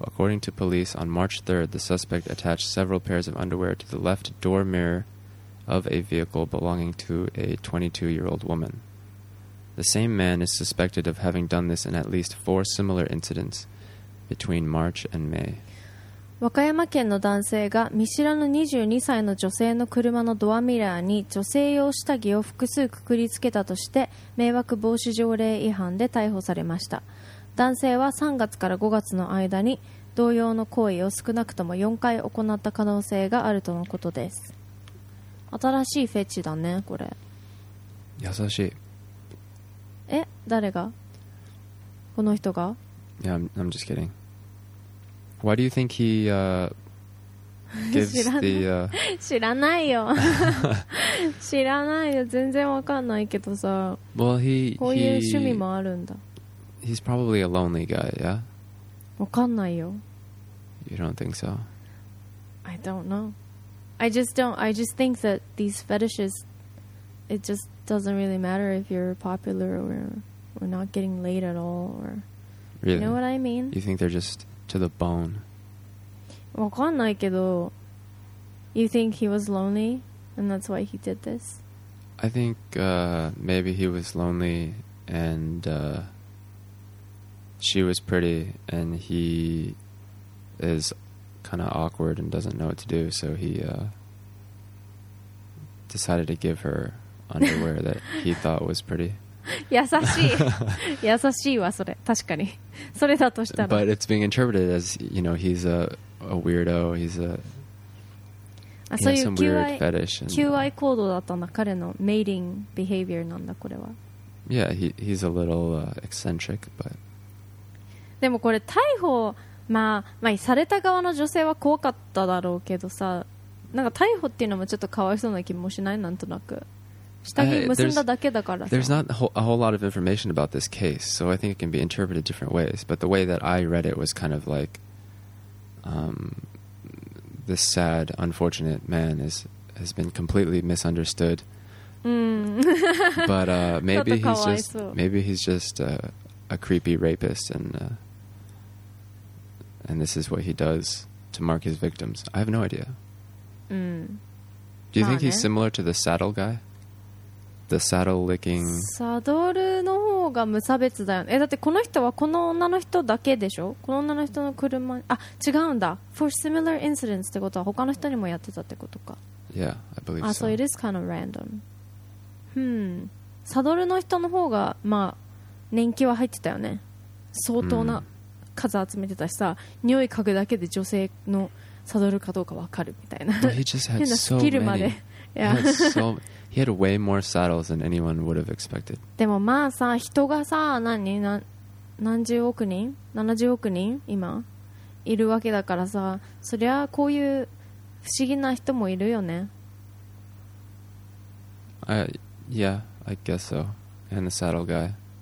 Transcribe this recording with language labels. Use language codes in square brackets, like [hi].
[en] According to police, on March 3rd, the suspect attached several pairs of underwear to the left door mirror of a vehicle belonging to a 22-year-old woman. The same man is suspected of having done this in at least four similar incidents between March and May. [ja] 和歌山県の男性が見知らぬ22歳の女性の車のドアミラーに女性用下着を複数くくりつけたとして迷惑防止条例違反で逮捕されました。男性は3月から5月の間に同様の行為を少なくとも4回行った可能性があるとのことです。新しいフェチだねこれ。優しい。え、誰がこの人が。 [en] Yeah, I'm just kiddingWhy do you think he gives the [ja] 知らないよ。知らないよ。全然わかんないけどさ。 [en] Well, he [ja] こういう趣味もあるんだ。 [en] He's probably a lonely guy, yeah? [ja] わかんないよ。 [en] You don't think so? I don't know. I just think that these fetishes, it just doesn't really matter if you're popular or not getting laid at all or really? You know what I mean? You think they're justto the bone. [ja] わかんないけど [en] You think he was lonely and that's why he did this? I think maybe he was lonely and she was pretty and he is kind of awkward and doesn't know what to do so he decided to give her underwear that he thought was pretty. [ja] 優しい優しいわそれ確かにそれだとしたら [en] But it's being interpreted as you know he's a weirdo he's a he has some weird fetish and, [ja] QI 行動だったんだ彼の [en] mating behavior [ja] なんだこれは [en] Yeah he's a little eccentric but [ja] でもこれ逮捕まあまあされた側の女性は怖かっただろうけどさなんか逮捕っていうのもちょっとかわいそうな気もしないなんとなく下着結んだだけだからさ [en] There's not a whole lot of information about this case So I think it can be interpreted different ways But the way that I read it was kind of like This sad, unfortunate man has been completely misunderstood But maybe he's just Maybe he's just a creepy rapist And this is what he does To mark his victims I have no idea Do you think he's similar to the saddle guy? The saddle licking. [ja] サドルの方が無差別だよね。え、だってこの人はこの女の人だけでしょ？この女の人の車。あ、違うんだ。 [en] For similar incidents [ja] ってことは他の人にもやってたってことか。 [en] Yeah, I believe so. あ、so it is kind of random. [ja] サドルの人の方がまあ年季は入ってたよね。相当な数集めてたしさ、匂い嗅ぐだけで女性のサドルかどうかわかるみたいな。 [en] He just had so many. Yeah. He had way more saddles than anyone would have expected. [ja] でもまあさ、人がさ、何十億人今いるわけだからさ、そりゃこういう不思議な人もいるよね。 [en] Yeah, I guess so. And the saddle guy.